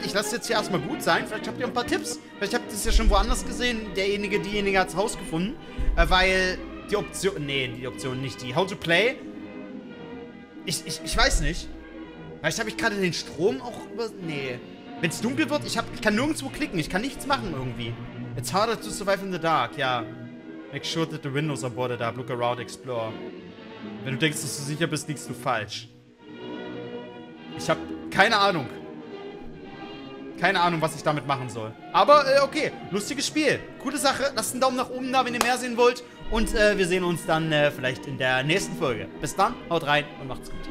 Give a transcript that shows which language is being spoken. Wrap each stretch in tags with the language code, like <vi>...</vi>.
<de>Ich lasse es jetzt hier erstmal gut sein. Vielleicht habt ihr ein paar Tipps. Vielleicht habt ihr es ja schon woanders gesehen. Diejenige hat es rausgefunden. Weil die Option... Nee, die Option nicht. Die How to Play... Ich weiß nicht. Vielleicht habe ich gerade den Strom auch über... Nee. Wenn es dunkel wird, ich kann nirgendwo klicken. Ich kann nichts machen irgendwie.</de> <en>It's harder to survive in the dark,</en> <de>ja.</de> <en>Make sure that the windows are boarded up. Look around, explore.</en> <de>Wenn du denkst, dass du sicher bist, liegst du falsch. Ich habe keine Ahnung. Keine Ahnung, was ich damit machen soll. Aber, okay. Lustiges Spiel. Coole Sache. Lasst einen Daumen nach oben da, wenn ihr mehr sehen wollt. Und wir sehen uns dann vielleicht in der nächsten Folge. Bis dann, haut rein und macht's gut.</de>